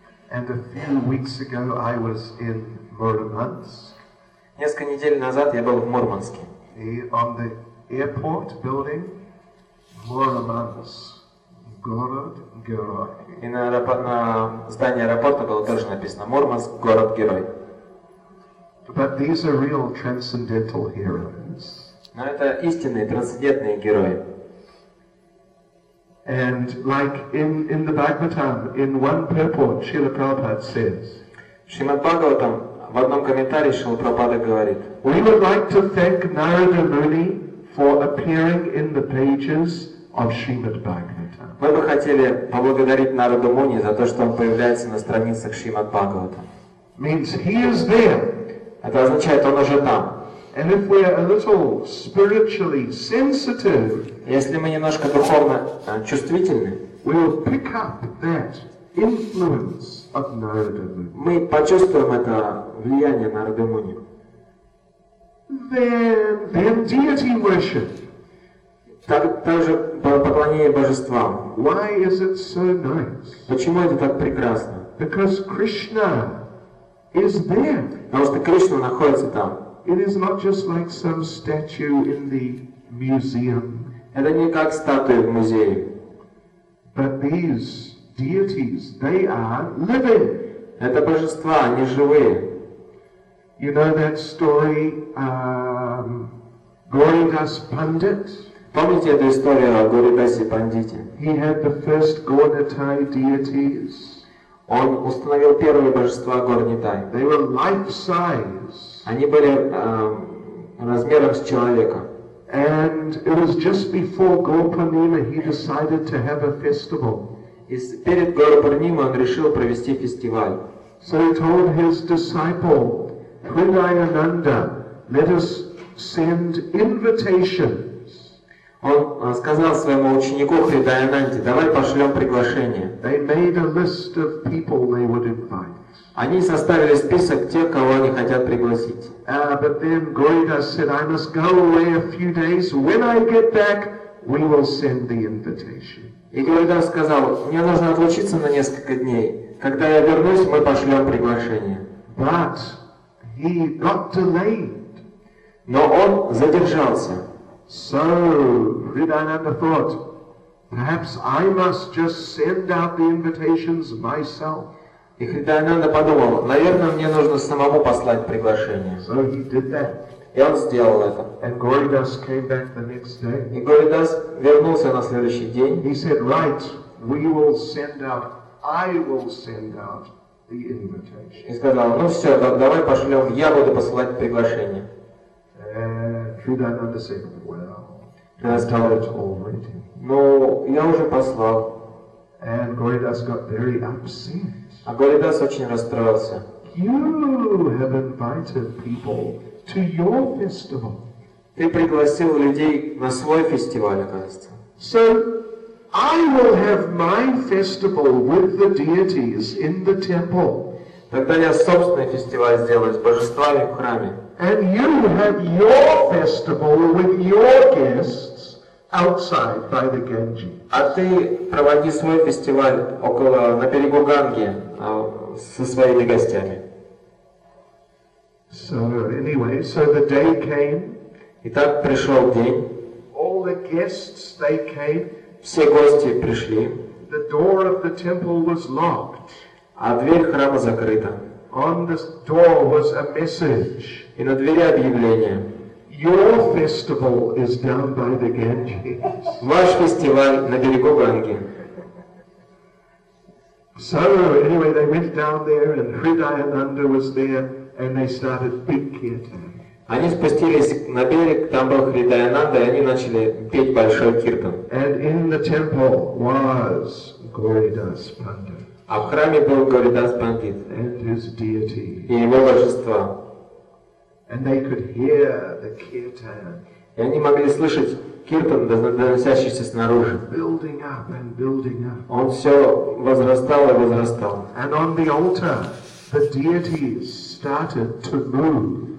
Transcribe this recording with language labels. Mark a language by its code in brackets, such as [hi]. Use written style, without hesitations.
[en] And a few weeks ago I was in Murmansk. [ru] Несколько недель назад я был в Мурманске. [en] On the airport building, Murmansk, [ru] город герой. И на здании аэропорта было тоже написано Мурманск, город герой. [en] But these are real transcendental heroes. [ru] Но это истинные трансцендентные герои. [en] And like in the Bhagavatam, in one purport, Srila Prabhupada says, [ru] Srimad Bhagavatam, в одном комментарии Srila Prabhupada говорит, [en] we would like to thank Narada Muni for appearing in the pages of Srimad Bhagavatam. [ru] Мы бы хотели поблагодарить Нараду Муни за то, что он появляется на страницах Srimad Bhagavatam. [en] Means he is there. [ru] Это означает, он уже там. [en] And if we are a little spiritually sensitive, [ru] если мы немножко духовно чувствительны, [en] we will pick up that influence of Narada Muni. [ru] Мы почувствуем это влияние Нарады Муни. [en] Then deity worship. [ru] Также поклонение божествам. [en] Why is it so nice? [ru] Почему это так прекрасно? [en] Because Krishna is there. [ru] Потому что Кришна находится там. [en] It is not just like some statue in the museum. [ru] Это не как статуя в музее. [en] But these deities, they are living. [ru] Это божества, они живые. [en] You know that story, Gauridas Pandit? [ru] Помните эту историю о Гуридасе Пандите? [en] He had the first Gauridas deities. [ru] Он установил первые божества Горнитай. [en] They were life size. [ru] Они были размером с человека. [en] And it was just before Gopurnima he decided to have a festival. [ru] И перед Гопурнимой он решил провести фестиваль. [en] So he told his disciple, Hridayananda, let us send invitations. [ru] Он сказал своему ученику Хридаянанде, давай пошлем приглашение. [en] They made a list of people they would invite. [ru] Они составили список тех, кого они хотят пригласить. [en] But then Gaurida said, I must go away a few days. When I get back, we will send the invitation. [ru] И Гаурида сказал, мне нужно отлучиться на несколько дней. Когда я вернусь, мы пошлем приглашение. [en] But he got delayed. [ru] Но он задержался. [en] So Hridayananda thought, perhaps I must just send out the invitations myself. [ru] И Хридаянанда подумал, наверное, мне нужно самому послать приглашение. [en] So he did that. [ru] И он сделал это. [en] And Gauridas came back the next day. [ru] И Гауридас вернулся на следующий день. [en] He said, right, we will send out, I will send out the invitation. [ru] И сказал, ну все, давай пошлем, я буду посылать приглашение. [en] And Hridayananda said, well, that's got it already. [ru] Ну, я уже послал. [en] And Gauridas got very upset. [ru] А Гауридас очень расстроился. [en] You have invited people to your festival. [ru] Ты пригласил людей на свой фестиваль, оказывается. [en] So I will have my festival with the deities in the temple. [ru] Тогда я собственный фестиваль сделаю с божествами в храме. [en] And you have your festival with your guests outside by the Ganges. [ru] А ты проводи свой фестиваль около на берегу Ганги со своими гостями. [en] So anyway, so the day came. [ru] Итак, пришел день. [en] All the guests, they came. [ru] Все гости пришли. [en] The door of the temple was locked. [ru] А дверь храма закрыта. [en] On the door was a message. [ru] И на двери объявление. [en] Your festival is down by the Ganges. [ru] Ваш фестиваль на берегу Ганги. [en] So anyway, they went down there, and Hridayananda was there, and they started big kirtan. [ru] Они спустились на берег, там был Хридаянанда, и они начали петь большой киртан. [en] And in the temple was Gauridas Pandit. [ru] А в храме был Гауридас Пандит. [en] And his deity. [ru] И его божество. [en] And they could hear the kirtan. [ru] И они могли слышать киртан, доносящийся снаружи. [en] Building up and building up. [ru] Он все возрастал и возрастал. [en] And on the altar, the deities started to move.